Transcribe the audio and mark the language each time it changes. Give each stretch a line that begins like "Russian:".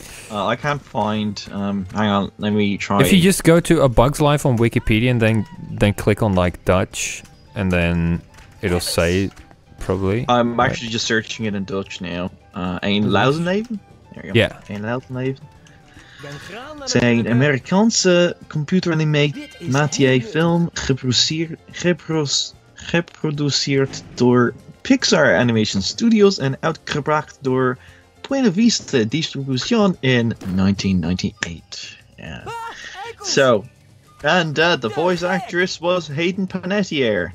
English: I can't find, hang on, let me try. If you just go to A Bug's Life on Wikipedia and then click on, like, Dutch, and then it'll say, probably. I'm actually just searching it in Dutch now. Ain Lausenleven? There you go. Yeah.
Dutch: Zijn Amerikaanse computer animated Mathieu film geproduceerd door Pixar Animation Studios en uitgebracht door Buena Vista Distribution in 1998.
English: Yeah. So, and the voice actress was Hayden Panettiere.